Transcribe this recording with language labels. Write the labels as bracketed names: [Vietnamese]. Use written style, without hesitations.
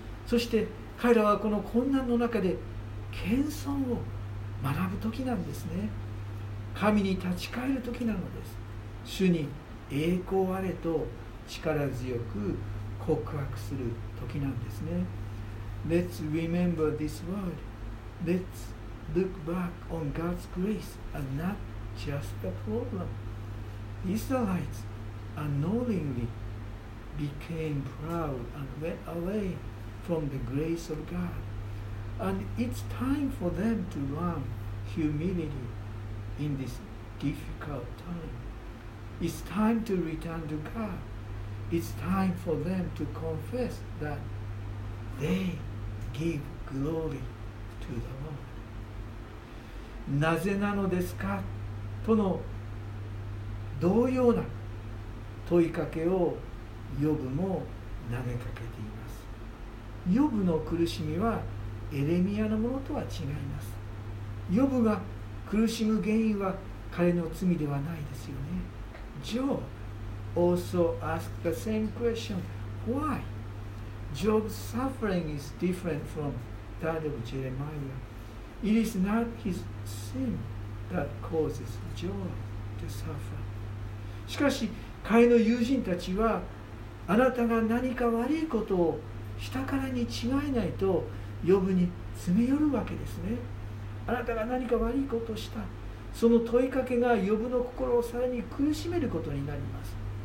[Japanese] そして彼らはこの困難の中で謙遜を学ぶ時なんですね。神に立ち返る時なのです。主に栄光あれと力強く告白する時なんですね。 [English] Let's remember this word. Let's look back on God's grace and not just the problem. Israelites unknowingly became proud and went away from the grace of God. And it's time for them to learn humility in this difficult time. It's time to return to God. It's time for them to confess that theygive glory to the Lord. [Japanese] なぜなのですかとの同様な問いかけをヨブも投げかけています。ヨブの苦しみはエレミヤのものとは違います。ヨブが苦しむ原因は彼の罪ではないですよね。 [English] Job also asked the same question. Why? Job's suffering is different from that of Jeremiah. It is not his sin that causes Job to suffer. [Japanese] しかし、彼の友人たちは、あなたが何か悪いことをしたからに違いないと、ヨブに詰め寄るわけですね。あなたが何か悪いことをした。その問いかけがヨブの心をさらに苦しめることになります。